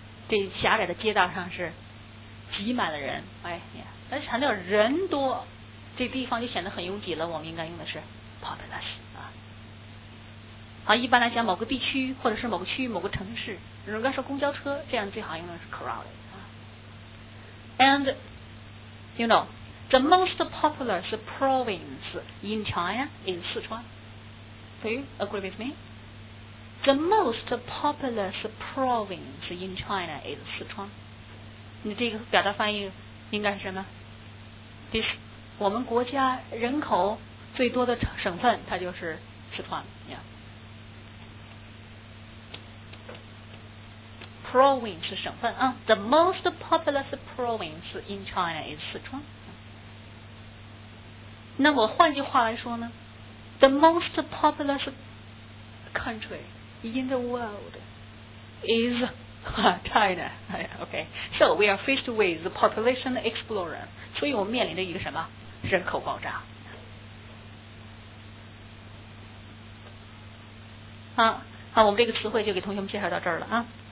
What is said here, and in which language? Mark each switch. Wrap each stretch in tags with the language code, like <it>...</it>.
<zh>这狭窄的街道上是挤满了人，但是强调人多，这地方就显得很拥挤了。我们应该用的是 populous 啊。好，一般来讲某个地区或者是某个区域某个城市，应该说公交车，这样最好用的是 crowded。</zh> <en>And you know the most popular is province in China in 四川。 Do you agree with me? The most popular is province in China is 四川。</en> <zh>你这个表达翻译应该是什么？这是我们国家人口最多的省份，它就是四川。</zh> <en>Yeah. Province</en> <zh>省份啊、，</zh> <en>the most populous province in China is 四川。</en> <zh>那我换句话来说呢</zh> <en>，the most populous country in the world is。 China, okay. So we are faced with the population explosion.</en> <zh>所以我们面临着一个什么？人口爆炸。好，我们这个词汇就给同学们介绍到这儿了啊。</zh>